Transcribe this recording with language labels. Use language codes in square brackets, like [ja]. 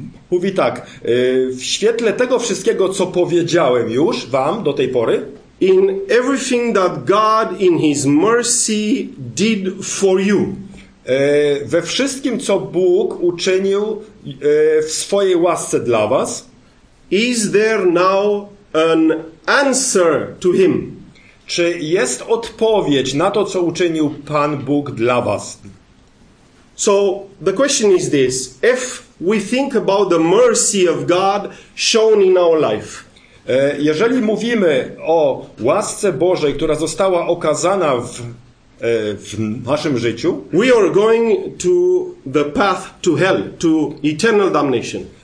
[pl] mówi tak, w świetle tego wszystkiego, co powiedziałem już wam do tej pory, [en] in everything that God in his mercy did for you, [pl] we wszystkim, co Bóg uczynił w swojej łasce dla was, [en] is there now an answer to him? [pl] Czy jest odpowiedź na to, co uczynił Pan Bóg dla was? [en] So the question is this: if we think about the mercy of God shown in our life, [pl] jeżeli mówimy o łasce Bożej, która została okazana w naszym życiu, [en] we are going to the path to hell, to eternal damnation.